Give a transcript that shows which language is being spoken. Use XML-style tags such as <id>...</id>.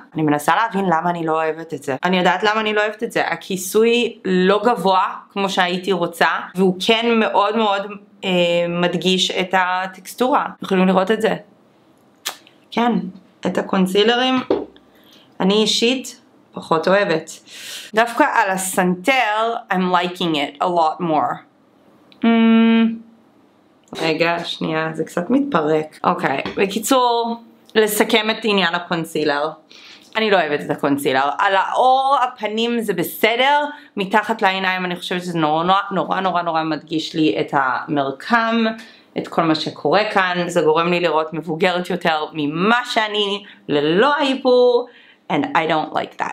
<he>אני מנסה להבין למה אני לא אוהבת את זה. אני יודעת למה אני לא אוהבת את זה. הכיסוי לא גבוה כמו שהייתי רוצה, והוא כן מאוד מאוד... מדגיש את הטקסטורה. יכולים לראות את זה? כן, את הקונסילרים אני אישית פחות אוהבת. דווקא על הסנטר,</he> <en>I'm liking it a lot more.</en> <he>רגע, שנייה, זה קצת מתפרק. אוקיי, בקיצור, לסכם את עניין הקונסילר. אני לא אוהבת את הקונסילר. על האור, הפנים זה בסדר, מתחת לעיניים אני חושבת שזה נורא נורא נורא נורא נורא מדגיש לי את המרקם, את כל מה שקורה כאן, זה גורם לי לראות מבוגרת יותר ממה שאני, ללא האיפור,</he> <en>and I don't like that.</en>